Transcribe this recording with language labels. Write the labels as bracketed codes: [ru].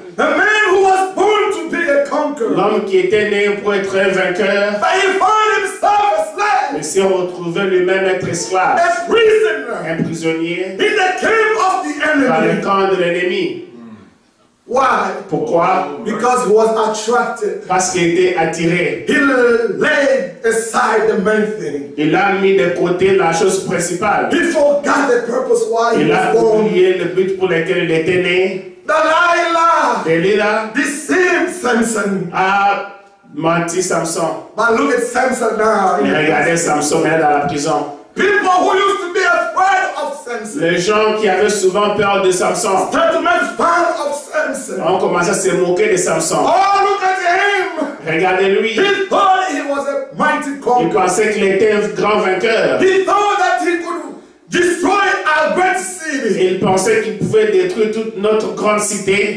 [en] The man who was born to be a conqueror. [fr] L'homme qui était né pour être un vainqueur. [en] But he found himself a slave. [fr] Il s'est retrouvé lui-même être esclave. [en] A prisoner. [fr] Un prisonnier. [en] In the camp of the enemy. [fr] Dans le camp de l'ennemi. [en] Why? [fr] Pourquoi? [en] Because he was attracted. [fr] Parce qu'il était attiré. [en] He laid aside the main thing. [fr] Il a mis de côté la chose principale. [en] He forgot the purpose why [fr] il [en] he was born. [fr] Il a oublié le but pour lequel il était né. [en] Delilah. [fr] Delilah. [en] Deceived Samson. [fr] A Menti Samson. [en] But look at Samson now. [fr] Mais regardez Samson maintenant dans la prison. [en] People who used to be afraid of Samson. [fr] Les gens qui avaient souvent peur de Samson. [en] Start to make fun of Samson. [fr] On commence à se moquer de Samson. [en] Oh, look at him. [fr] Regardez-lui. [en] He thought he was a mighty conqueror. [fr] Il pensait qu'il était un grand vainqueur. [en] He thought that he could destroy our great city. [fr] Il pensait qu'il pouvait détruire toute notre grande cité.